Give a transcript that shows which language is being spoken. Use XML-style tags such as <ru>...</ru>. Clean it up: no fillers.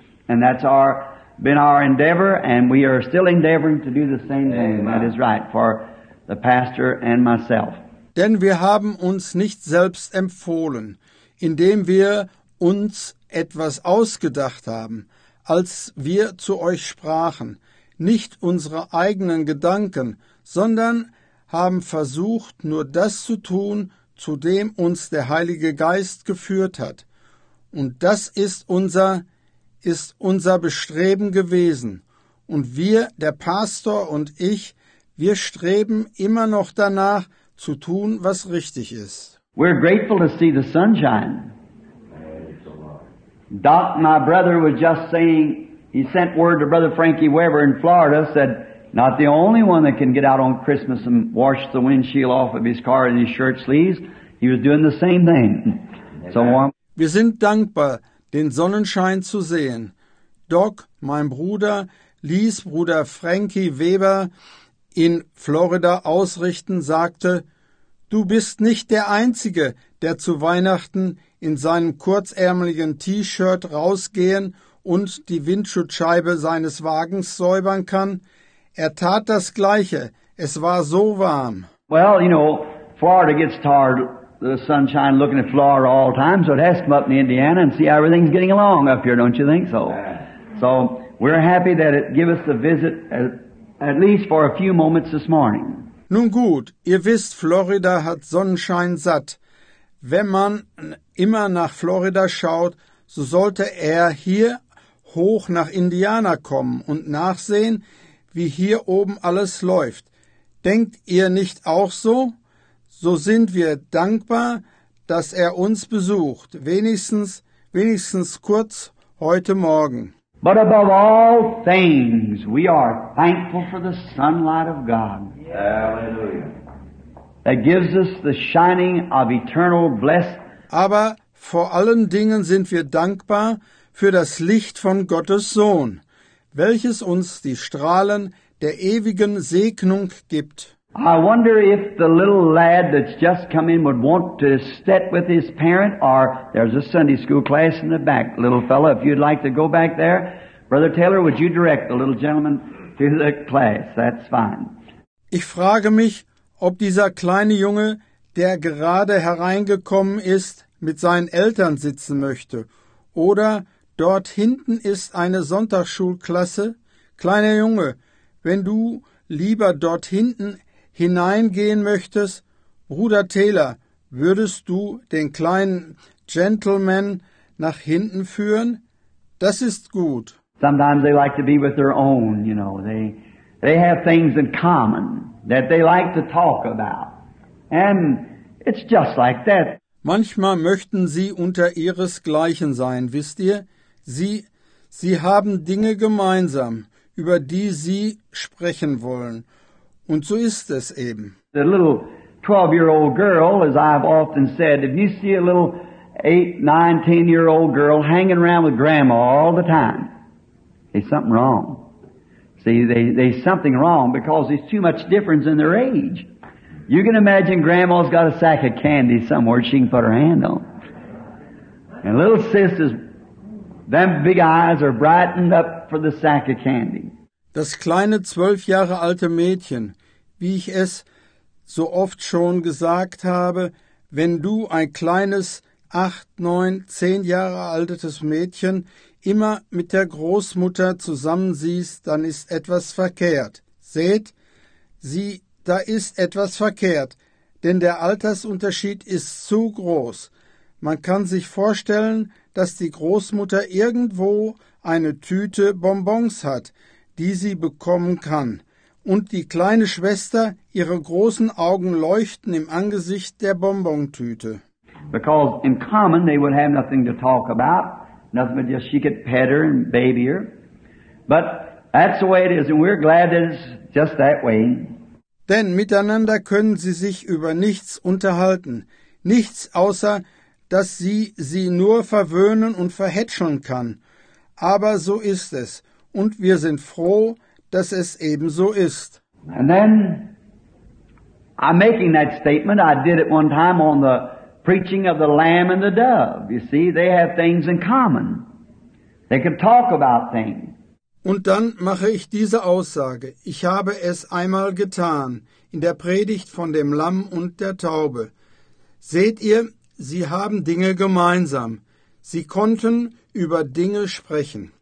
<en>And that's been our endeavor, and we are still endeavoring to do the same thing. Amen. That is right for the pastor and myself.</en> <de>Denn wir haben uns nicht selbst empfohlen, indem wir uns etwas ausgedacht haben, als wir zu euch sprachen, nicht unsere eigenen Gedanken, sondern haben versucht, nur das zu tun, zu dem uns der Heilige Geist geführt hat. Und das ist unser Bestreben gewesen. Und wir, der Pastor und ich, wir streben immer noch danach, zu tun, was richtig ist.</de> <en>We're grateful to see the sunshine. Doc, my brother, was just saying, he sent word to Brother Frankie Weber in Florida, said, not the only one that can get out on Christmas and wash the windshield off of his car and his shirt sleeves. He was doing the same thing. So warm.</en> <de>Wir sind dankbar, den Sonnenschein zu sehen. Doc, mein Bruder, ließ Bruder Frankie Weber in Florida ausrichten, sagte, du bist nicht der Einzige, der zu Weihnachten in seinem kurzärmeligen T-Shirt rausgehen und die Windschutzscheibe seines Wagens säubern kann. Er tat das Gleiche. Es war so warm.</de> <en>Well, you know, Florida gets tired of the sunshine looking at Florida all the time, so it has to come up in Indiana and see how everything's getting along up here, don't you think so? So we're happy that it gave us the visit at least for a few moments this morning.</en> <de>Nun gut, ihr wisst, Florida hat Sonnenschein satt. Wenn man immer nach Florida schaut, so sollte er hier hoch nach Indiana kommen und nachsehen, wie hier oben alles läuft. Denkt ihr nicht auch so? So sind wir dankbar, dass er uns besucht, wenigstens kurz heute Morgen.</de> <en>But above all things, we are thankful for the sunlight of God. Hallelujah. That gives us the shining of eternal blessed.</en> <de>Aber vor allen Dingen sind wir dankbar für das Licht von Gottes Sohn, welches uns die Strahlen der ewigen Segnung gibt.</de> <en>I wonder if the little lad that's just come in would want to sit with his parent, or there's a Sunday school class in the back. Little fellow, if you'd like to go back there, Brother Taylor, would you direct the little gentleman to the class? That's fine.</en> <de>Ich frage mich, ob dieser kleine Junge, der gerade hereingekommen ist, mit seinen Eltern sitzen möchte. Oder dort hinten ist eine Sonntagsschulklasse. Kleiner Junge, wenn du lieber dort hinten hineingehen möchtest, Bruder Taylor, würdest du den kleinen Gentleman nach hinten führen? Das ist gut.</de> <en>Sometimes they like to be with their own, you know. They have things in common that they like to talk about. And it's just like that.</en> <de>Manchmal möchten sie unter ihresgleichen sein, wisst ihr? Sie haben Dinge gemeinsam, über die sie sprechen wollen. Und so ist es eben.</de> <en>The little 12-year-old girl, as I've often said, if you see a little 8, 9, 10-year-old girl hanging around with grandma all the time, there's something wrong. See, there's something wrong because there's too much difference in their age. You can imagine grandma's got a sack of candy somewhere she can put her hand on. And little sisters, them big eyes are brightened up for the sack of candy.</en> <de>Das kleine 12 Jahre alte Mädchen, wie ich es so oft schon gesagt habe, wenn du ein kleines 8, 9, 10 Jahre altes Mädchen immer mit der Großmutter zusammensiehst, dann ist etwas verkehrt. Seht, da ist etwas verkehrt, denn der Altersunterschied ist zu groß. Man kann sich vorstellen, dass die Großmutter irgendwo eine Tüte Bonbons hat, die sie bekommen kann. Und die kleine Schwester, ihre großen Augen leuchten im Angesicht der Bonbontüte.</de> <en>Because in common they would have nothing to talk about, nothing but just she could pet her and baby her. But that's the way it is, and we're glad that it's just that way.</en> <de>Denn miteinander können sie sich über nichts unterhalten. Nichts außer, dass sie sie nur verwöhnen und verhätscheln kann. Aber so ist es. Und wir sind froh, dass es eben so ist.</de> <en>And then, I'm making that statement. I did it one time on the preaching of the lamb and the dove. You see, they have things in common. They can talk about things.</en> <de>Und dann mache ich diese Aussage. Ich habe es einmal getan, in der Predigt von dem Lamm und der Taube. Seht ihr, sie haben Dinge gemeinsam. Sie konnten über Dinge sprechen.</de>